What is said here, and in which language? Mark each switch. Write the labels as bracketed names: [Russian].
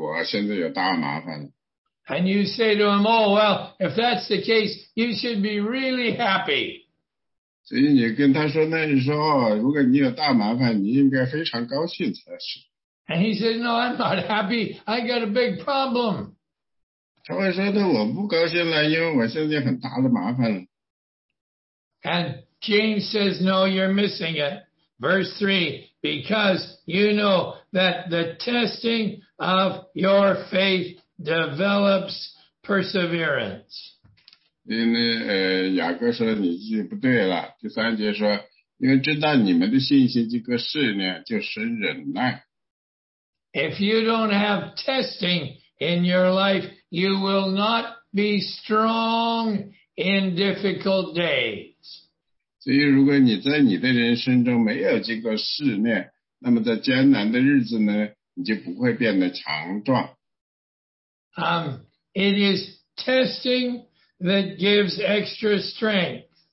[Chinese] 有些人呢,来到你面前呢,他说呢,啊,我现在有大麻烦。 [English] And you say to him, oh, well, if that's the case, you should be really happy. [Chinese] 所以你跟他说呢,你说,如果你有大麻烦,你应该非常高兴才是。 [English] And he said, no, I'm not happy. I got a big problem. [Chinese] 他会说的,我不高兴了,因为我现在很大的麻烦了。 [English] And James says, no, you're missing it. Verse 3, because you know that the testing of your faith develops perseverance. [Chinese] 因为雅各说你不对了,第三节说,因为知道你们的信心这个试炼就是忍耐。 [English] If you don't have testing in your life, you will not be strong in difficult days. [Chinese] 所以如果你在你的人生中没有经过试炼, 那么在艰难的日子呢, 你就不会变得强壮。 [English] It is testing that gives extra strength.